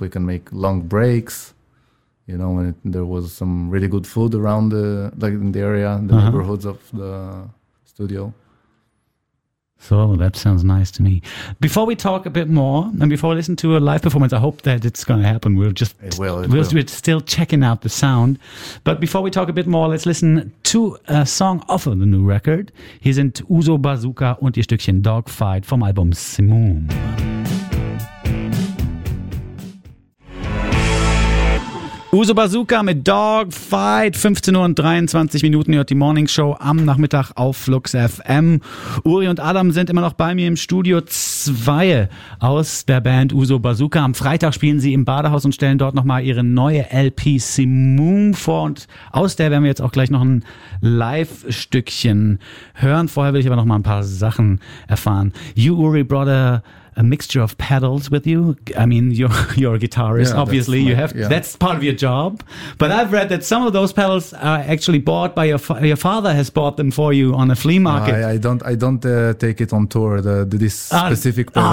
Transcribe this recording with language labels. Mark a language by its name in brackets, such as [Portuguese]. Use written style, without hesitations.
[English] We can make long breaks. You know, when there was some really good food around in the neighborhoods of the studio. So that sounds nice to me. Before we talk a bit more and before we listen to a live performance, I hope that it's going to happen. We're still checking out the sound. But before we talk a bit more, let's listen to a song off of the new record. [German] Hier sind Uzo Bazooka und ihr Stückchen Dogfight vom Album Simoon. Uzo Bazooka mit Dog Fight, 15 Uhr und 23 Minuten, hört die Morning Show am Nachmittag auf Flux FM. Uri und Adam sind immer noch bei mir im Studio 2 aus der Band Uzo Bazooka. Am Freitag spielen sie im Badehaus und stellen dort nochmal ihre neue LP Simoon vor. Und aus der werden wir jetzt auch gleich noch ein Live-Stückchen hören. Vorher will ich aber nochmal ein paar Sachen erfahren. [English] You, Uri, brought a mixture of pedals with you. I mean, you're a guitarist, yeah, obviously. That's part of your job. But I've read that some of those pedals are actually bought by your father has bought them for you on a flea market. I don't take it on tour, these specific pedals.